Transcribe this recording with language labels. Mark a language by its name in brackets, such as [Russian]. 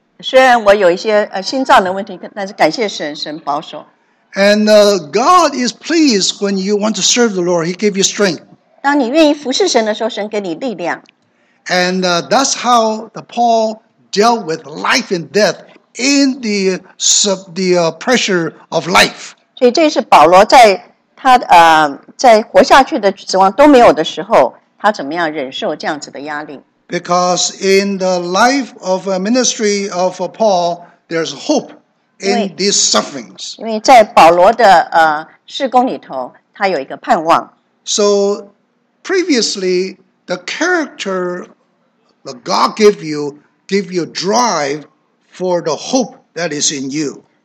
[Chinese] 虽然我有一些心脏的问题，但是感谢神，神保守。 [English] And God is pleased when you want to serve the Lord. He gave you strength. [Chinese] 当你愿意服侍神的时候，神给你力量。 [English] And that's how the Paul dealt with life and death in the pressure of life. [Chinese] 所以这是保罗在他在活下去的指望都没有的时候，他怎么样忍受这样子的压力？ [English] Because in the life of a ministry of Paul, there's hope in these sufferings. [Chinese] 因为在保罗的事工里头，他有一个盼望。 [English] So previously, the character that God gave you drive for the hope that is in you.